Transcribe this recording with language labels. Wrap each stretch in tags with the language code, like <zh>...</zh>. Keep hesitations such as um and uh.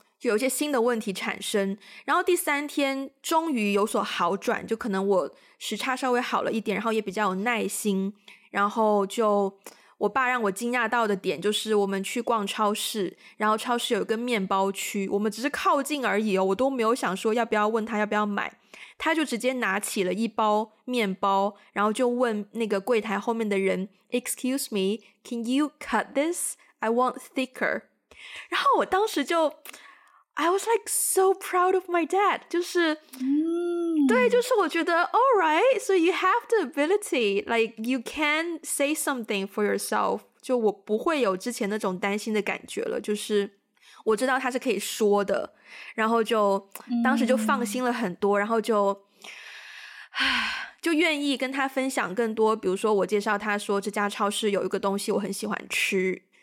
<zh>就有一些新的问题产生，然后第三天终于有所好转，就可能我时差稍微好了一点，然后也比较有耐心，然后就我爸让我惊讶到的点就是，我们去逛超市，然后超市有一个面包区，我们只是靠近而已哦，我都没有想说要不要问他要不要买，他就直接拿起了一包面包，然后就问那个柜台后面的人：</zh> <en>“Excuse me, can you cut this? I want thicker。 ”</en> <zh>然后我当时就。</zh> <en>I was like so proud of my dad，</en> <zh>就是，对，就是我觉得，</zh> <en>all right，so you have the ability，like you can say something for yourself。</en> <zh>就我不会有之前那种担心的感觉了，就是我知道他是可以说的，然后就当时就放心了很多，然后就，唉，就愿意跟他分享更多。比如说我介绍他说这家超市有一个东西我很喜欢吃。</zh>